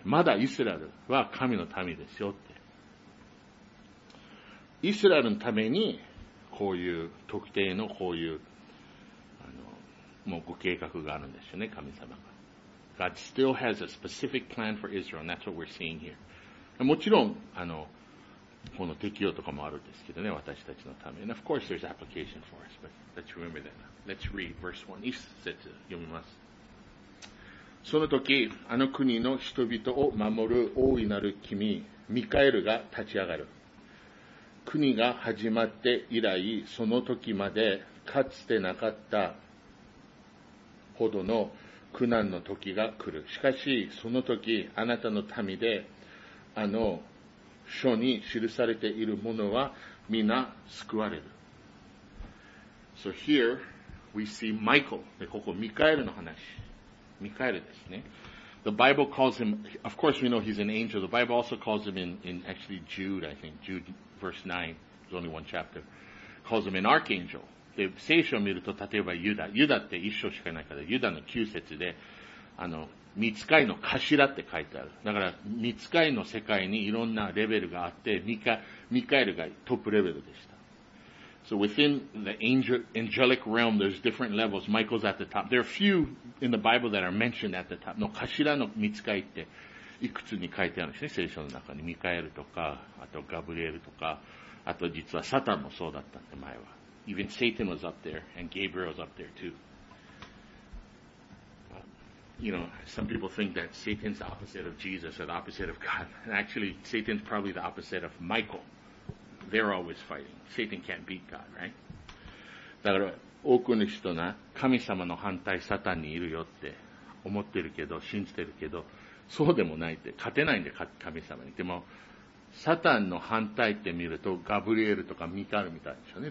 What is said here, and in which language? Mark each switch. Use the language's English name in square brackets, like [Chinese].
[Japanese] まだイスラエルは神の民ですよ。イスラエルのためにこういう特定のこういうもうご計画があるんですよね、神様が。 [English] God still has a specific plan for Israel, and that's what we're seeing here. [Japanese] もちろんこの適用とかもあるんですけどね、私たちのために。 [English] And of course there's application for us, but let's remember that. Let's read verse 1. [Japanese] 一節読みます。その時、あの国の人々を守る大いなる君、ミカエルが立ち上がる。国が始まって以来、その時までかつてなかったほどの苦難の時が来る。しかし、その時、あなたの民で、あの書に記されているものは皆救われる。 [English] So here we see Michael. [Japanese] で、ここミカエルの話。ミカエルですね。 [English] The Bible calls him, of course we know he's an angel. The Bible also calls him in actually Jude, I think. Jude verse 9, there's only one chapter. Calls him an archangel. [Japanese] で、聖書を見ると、例えばユダ。ユダって一章しかないから、ユダの9節で、御使いの頭って書いてある。だから、御使いの世界にいろんなレベルがあって、ミカエルがトップレベルでした。 [English] So within the angelic realm, there's different levels. Michael's at the top. There are a few in the Bible that are mentioned at the top. [Japanese] の頭の御使いっていくつに書いてあるんですね、聖書の中に。ミカエルとか、あとガブリエルとか、あと実はサタンもそうだったんで、前は。 [English] Even Satan was up there, and Gabriel was up there too. you know, some people think that Satan's the opposite of Jesus or the opposite of God. And actually, Satan's probably the opposite of Michael. They're always fighting. Satan can't beat God, right? [Japanese] だから、多くの人が神様の反対サタンにいるよって思ってるけど、信じてるけど、そうでもないって、勝てないんで、神様に。でも、サタンの反対って見ると、ガブリエルとかミカルみたいでしょうね。